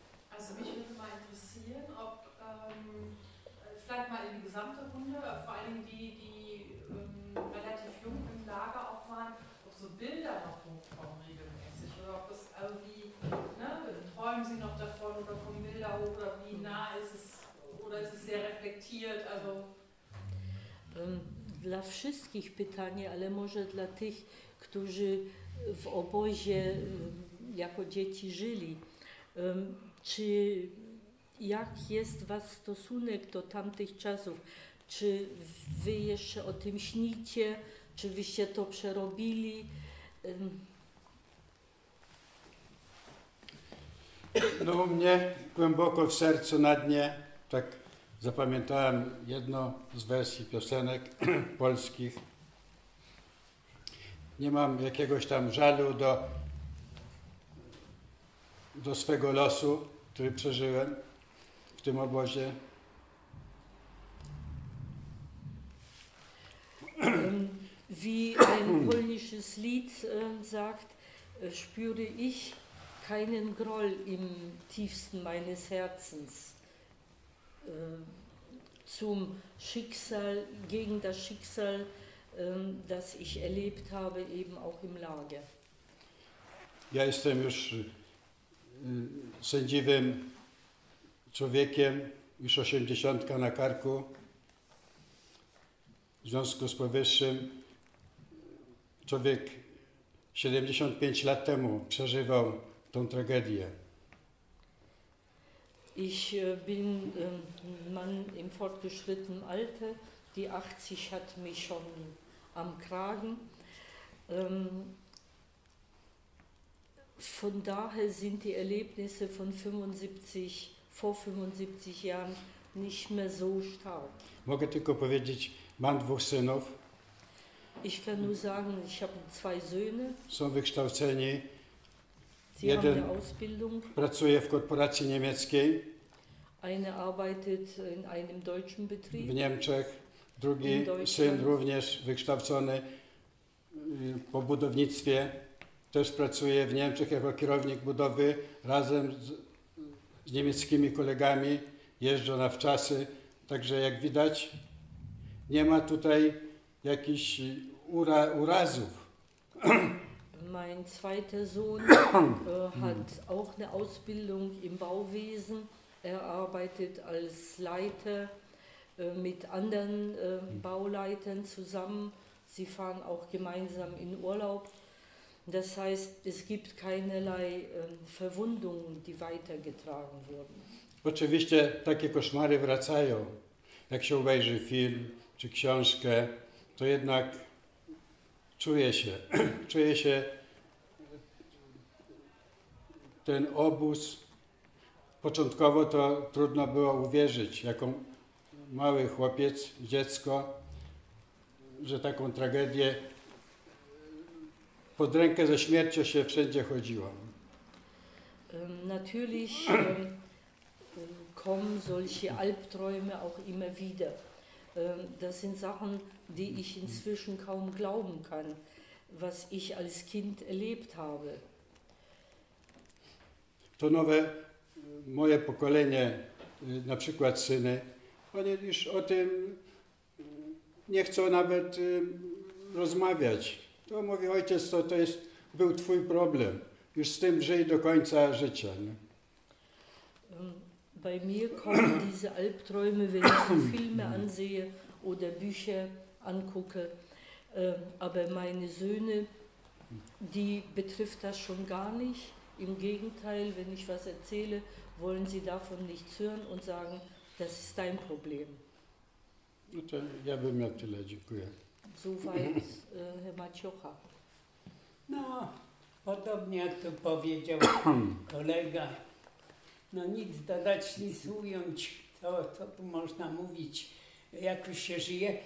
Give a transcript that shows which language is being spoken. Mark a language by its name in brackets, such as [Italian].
[German] Also mich würde mal interessieren, ob vielleicht mal in die gesamte Runde, vor allem die relativ jung im Lager auch waren, ob so Bilder noch hochkommen regelmäßig oder ob das irgendwie, ne, träumen Sie noch davon oder kommen Bilder hoch oder wie nah ist es oder ist es sehr reflektiert, also... [Polish] Dla wszystkich pytanie, ale może dla tych, którzy w obozie jako dzieci żyli. Czy jak jest was stosunek do tamtych czasów? Czy wy jeszcze o tym śnicie? Czy wyście to przerobili? No u mnie głęboko w sercu na dnie, tak. Zapamiętałem jedno z wersji piosenek polskich. Nie mam jakiegoś tam żalu do swego losu, który przeżyłem w tym obozie. [German] Wie ein polnisches Lied sagt, spüre ich keinen Groll im tiefsten meines Herzens. Zum Schicksal, gegen das Schicksal, das ich erlebt habe, eben auch im Lager. [Polish] Ja jestem już sędziwym człowiekiem, już 80 na karku. W związku z powyższym, człowiek 75 lat temu przeżywał tą tragedię. [German] Ich bin Mann im fortgeschrittenen Alter, die 80 hat mich schon am Kragen. Von daher sind die Erlebnisse von 75, vor 75 Jahren nicht mehr so stark. [Polish] Mogę tylko powiedzieć, mam dwóch synów. [German] Ich kann nur sagen, ich habe zwei Söhne. [Polish] Są wykształceni. [German] Sie [Polish] jeden [German] haben eine Ausbildung. [Polish] Pracuje w korporacji niemieckiej. [German] Eine arbeitet in einem deutschen Betrieb. [Polish] W Niemczech. Drugi syn również wykształcony po budownictwie. Też pracuje w Niemczech jako kierownik budowy. Razem z niemieckimi kolegami jeżdżą na wczasy. Także jak widać, nie ma tutaj jakichś urazów. [German] Mein zweiter Sohn hat auch eine Ausbildung im Bauwesen. Er arbeitet als Leiter mit anderen Bauleitern zusammen. Sie fahren auch gemeinsam in Urlaub. Das heißt, es gibt keinerlei Verwundungen, die weitergetragen wurden. [Polish] Oczywiście takie koszmary wracają. Jak się obejrzy film czy książkę, to jednak czuje się ten obóz. Początkowo to trudno było uwierzyć, jako mały chłopiec, dziecko, że taką tragedię pod rękę ze śmiercią się wszędzie chodziło. [German] Natürlich kommen solche Albträume auch immer wieder. Das sind Sachen, die ich inzwischen kaum glauben kann, was ich als Kind erlebt habe. [Polish] To nowe. Moje pokolenie, na przykład syny, oni już o tym nie chcą nawet rozmawiać. To mówi ojciec, to jest był twój problem? Już z tym żyj do końca życia, nie? [German] Bei mir kommen diese Albträume, wenn ich Filme ansehe oder Bücher angucke. Aber meine Söhne, die betrifft das schon gar nicht. Im Gegenteil, wenn ich was erzähle, wollen sie davon nichts hören und sagen, das ist dein Problem. [Polish] No to ja bym miał tyle, dziękuję. [German] So weit, Herr Maciocha. [Polish] No, podobnie jak to powiedział kolega. No nic dodać, nic ująć, to tu można mówić, jak już się żyje.